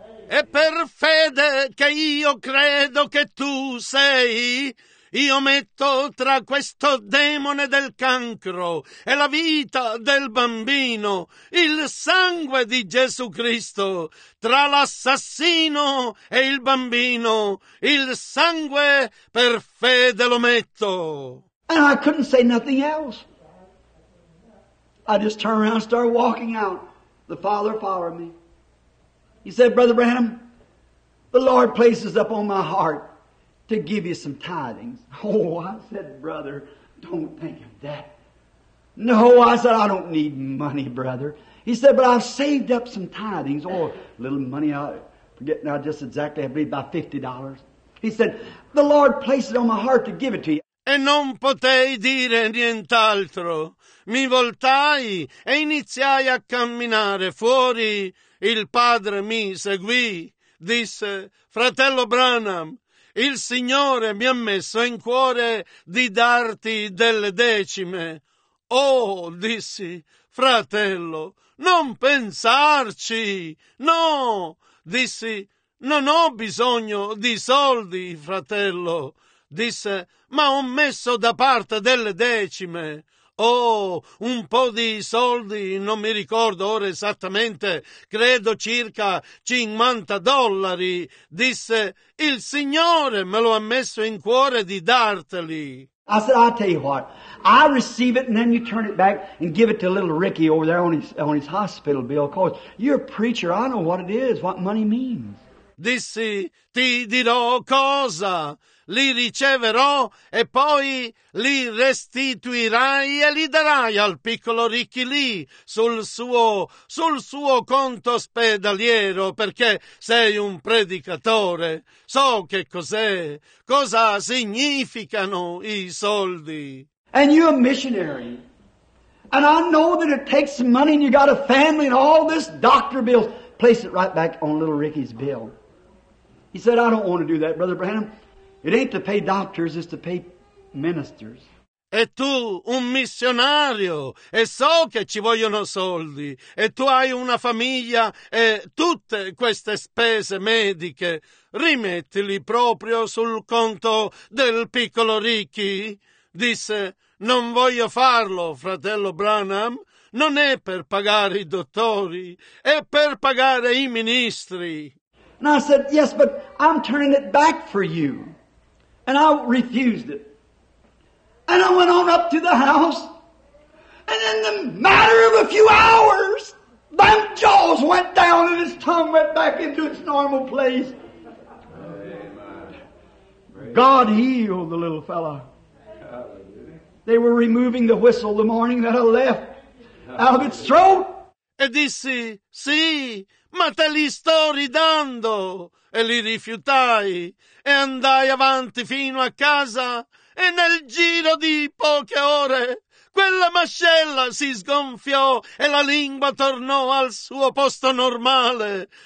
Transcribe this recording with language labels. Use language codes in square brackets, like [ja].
[it] E per fede che io credo che tu sei, io metto tra questo demone del cancro e la vita del bambino il sangue di Gesù Cristo, tra l'assassino e il bambino, il sangue per fede lo metto. [en] And I couldn't say nothing else. I just turned around and started walking out. The Father followed me. He said, Brother Branham, the Lord places up on my heart to give you some tidings. Oh, I said, Brother, don't think of that. No, I said, I don't need money, brother. He said, but I've saved up some tidings. Oh, a little money, I forget now just exactly, I believe about $50. He said, the Lord placed it on my heart to give it to you. [it] E non potei dire nient'altro. Mi voltai e iniziai a camminare fuori. Il padre mi seguì, disse, fratello Branham, il Signore mi ha messo in cuore di darti delle decime. Oh, dissi, fratello, non pensarci, no, dissi, non ho bisogno di soldi, fratello, disse, ma ho messo da parte delle decime. Oh, un po' di soldi, non mi ricordo ora esattamente, credo circa $50, disse, il Signore me lo ha messo in cuore di darteli. [en] I said, I'll tell you what, I receive it and then you turn it back and give it to little Ricky over there on his hospital bill, because you're a preacher, I know what it is, what money means. [it] Dissi, ti dirò cosa. Li riceverò e poi li restituirai e li darai al piccolo Ricky lì sul suo conto ospedaliero, perché sei un predicatore. So che cos'è, cosa significano i soldi. [en] And you're a missionary. And I know that it takes some money and you got a family and all this doctor bills. Place it right back on little Ricky's bill. He said, I don't want to do that, Brother Branham. It ain't to pay doctors, it's to pay ministers. [it] e tu un missionario, e so che ci vogliono soldi, e tu hai una famiglia e tutte queste spese mediche, rimettili proprio sul conto del piccolo Ricky. Disse: non voglio farlo, fratello Branham. Non è per pagare i dottori, è per pagare i ministri. [en] And I said, yes, but I'm turning it back for you. And I refused it. And I went on up to the house. And in the matter of a few hours, my jaws went down and his tongue went back into its normal place. God healed the little fella. They were removing the whistle the morning that I left. Albert's throat. [it] E dissi: sì, ma te li sto ridando. E li rifiutai e andai avanti fino a casa, e nel giro di poche ore quella mascella si sgonfiò e la lingua tornò al suo posto normale.